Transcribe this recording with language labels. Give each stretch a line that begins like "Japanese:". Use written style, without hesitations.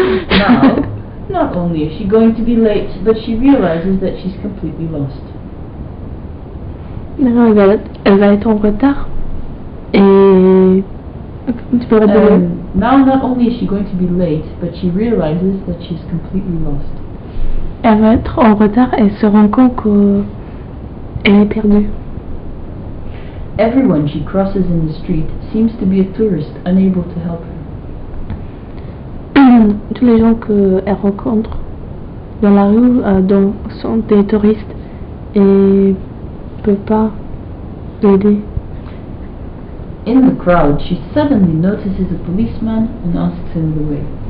English: Now, not only is she going to be late, but she realizes that she's completely lost.
French: Non, elle va être en retard. Et tu pourrais dire.
English: Now, not only is she going to be late, but she realizes that she's completely lost.
French: Elle va être en retard et se rend compte qu'elle est perdue.
English: Everyone she crosses in the street seems to be a tourist unable to help her.
French: Tous les gens qu'elle rencontre dans la rue sont des touristes et ne peuvent pas l'aider.
English: In the crowd, she suddenly notices a policeman and asks him the way.